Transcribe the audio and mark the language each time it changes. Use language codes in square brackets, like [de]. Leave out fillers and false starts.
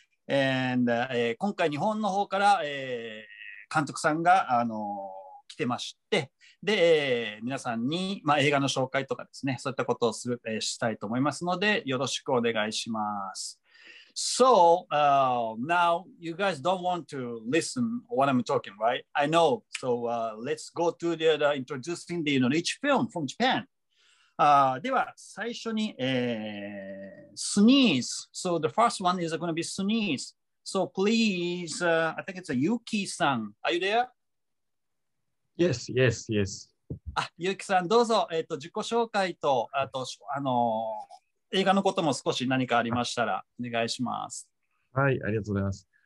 [ja] And 今回日本の方から、監督さんが来てまして、で、皆さんに、まあ、映画の紹介とかですね、そういったことをする、したいと思いますので、よろしくお願いします。 [en] So, now you guys don't want to listen what I'm talking, right? I know. So, let's go to the introducing the rich film from Japan. [ja] では、最初に、Sneeze. [en] So, the first one is going to be Sneeze. So, please, I think it's a Yuki-san. Are you there? Yes, yes, yes. [ja] ゆうきさん、どうぞ、自己紹介と、あと、映画のことも少し何かありましたら、お願いします。はい、ありがとうございます。